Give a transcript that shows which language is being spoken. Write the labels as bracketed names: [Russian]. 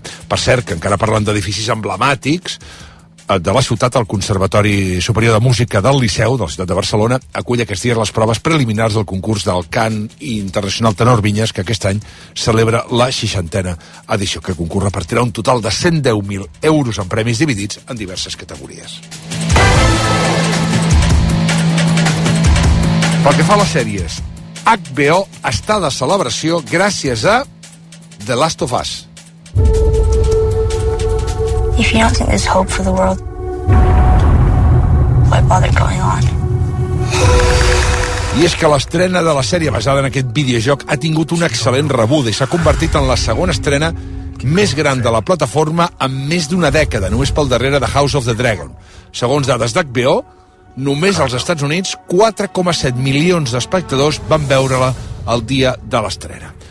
[Catalan] Per cert, que encara parlant d'edificis emblemàtics, de la ciutat, el Conservatori Superior de Música del Liceu, de la ciutat de Barcelona, acull aquest dia les proves preliminars del concurs del Cant Internacional Tenor Vinyes, que aquest any celebra la 60a edició, que concurs repartirà un total de 110.000 euros en premis dividits en diverses categories. Pel que fa a les sèries, HBO està de celebració gràcies a The Last of Us. [English] If you don't think there's hope for the world, why bother going on? [Catalan] I és que l'estrena de la sèrie basada en aquest videojoc ha tingut una excel·lent rebuda i s'ha convertit en la segona estrena més gran de la plataforma en més d'una dècada, només pel darrere de House of the Dragon. Segons dades d'HBO, només als Estats Units, 4,7 milions d'espectadors van veure-la el dia de l'estrena.